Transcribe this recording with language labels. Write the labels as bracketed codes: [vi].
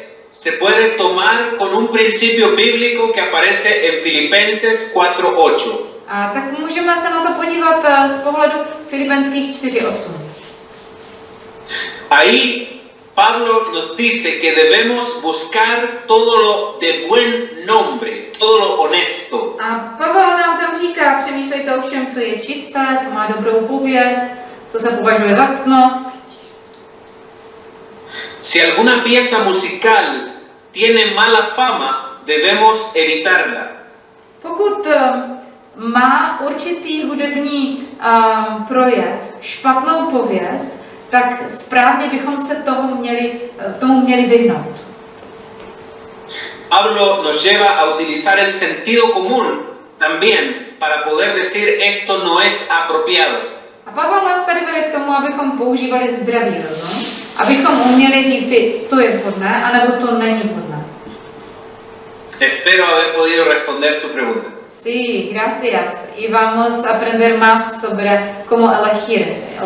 [es] Se puede tomar con un principio bíblico que aparece en Filipenses 4:8. [cs] A tak můžeme se na to podívat z pohledu Filipenských 4:8. [es] Ahí Pablo nos dice que debemos buscar todo lo de buen nombre, todo lo honesto. [cs] A Pavel nám tam říká, přemýšlejte o všem, co je čisté, co má dobrou pověst, co se považuje za ctnost. [es] Si alguna pieza musical tiene mala fama, debemos evitarla. [cs] Pokud má určitý hudební projev špatnou pověst, tak správně bychom se tomu měli vyhnout. [es] Pablo nos lleva a utilizar el sentido común también para poder decir esto no es apropiado. [cs] A Pavel nás tady vede k tomu, abychom používali zdravý rozum, abychom uměli říci, to je vhodné, anebo to není vhodné. [es] Espero haber podido responder su pregunta. Sí, gracias. Y vamos a aprender más sobre cómo elegir.